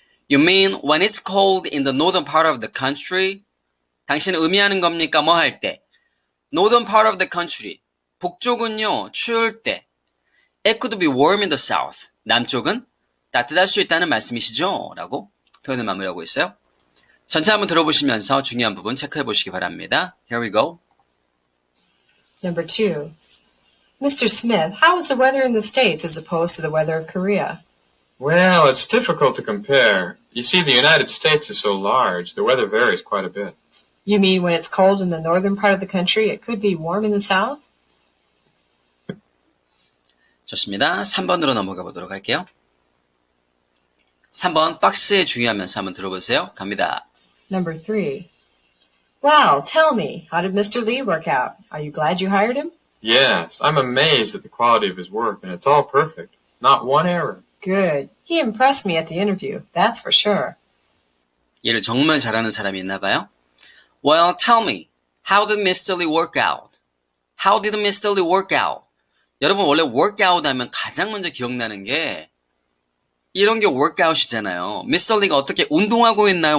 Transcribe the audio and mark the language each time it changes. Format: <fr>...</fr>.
<en>You mean when it's cold in the northern part of the country?</en> <ko>당신은 의미하는 겁니까? 뭐 할 때?</ko> <en>Northern part of the country.</en> <ko>북쪽은요, 추울 때.</ko> <en>It could be warm in the south.</en> <ko>남쪽은 따뜻할 수 있다는 말씀이시죠? 라고 표현을 마무리하고 있어요. 전체 한번 들어보시면서 중요한 부분 체크해 보시기 바랍니다.</ko> <en>Here we go. Number two. Mr. Smith, how is the weather in the States as opposed to the weather of Korea? Well, it's difficult to compare. You see, the United States is so large, the weather varies quite a bit. You mean when it's cold in the northern part of the country, it could be warm in the south?</en> <ko>좋습니다. 3번으로 넘어가 보도록 할게요. 3번 박스에 주의하면서 한번 들어보세요. 갑니다.</ko> <en>Number 3. Wow, tell me, how did Mr. Lee work out? Are you glad you hired him? Yes, I'm amazed at the quality of his work, and it's all perfect. Not one error. Good. He impressed me at the interview, that's for sure.</en> <ko>얘를 정말 잘하는 사람이 있나 봐요.</ko> <en>Well, tell me, how did Mr. Lee work out? How did Mr. Lee work out?</en> <ko>여러분, 원래 workout 하면 가장 먼저 기억나는 게 이런 게 workout이잖아요. Mr. Lee가 어떻게 운동하고 있나요?</ko>